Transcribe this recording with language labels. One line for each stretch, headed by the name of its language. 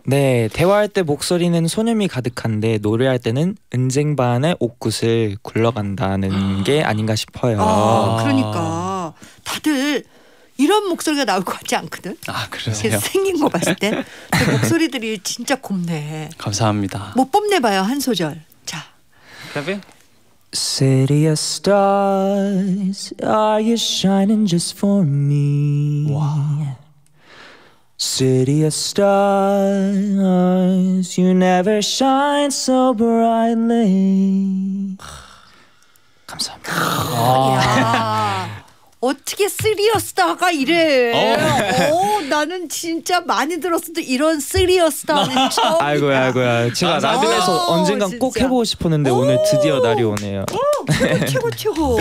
Korean: 네, 대화할 때 목소리는 소념이 가득한데 노래할 때는 은쟁반의 옷구슬 굴러간다는 게 아닌가 싶어요. 아, 그러니까 다들. 이런 목소리가 나올 것 같지 않거든. 아 그러세요? 생긴 거 봤을 땐 목소리들이 진짜 곱네. 감사합니다. 뭐 뽐내봐요 한 소절. 자, 그래.
English: City of stars, are you shining just for me? City of stars, you never shine so brightly.
Korean: 감사합니다. 아. 어떻게 쓰리어스타가 이래? 오, 나는 진짜 많이 들었어도 이런 쓰리어스타는 처음이다. 아이고야, 아이고야. 제가 라디오에서 언젠간 진짜. 꼭 해보고 싶었는데 오늘 드디어 날이 오네요. 최고 최고 최고.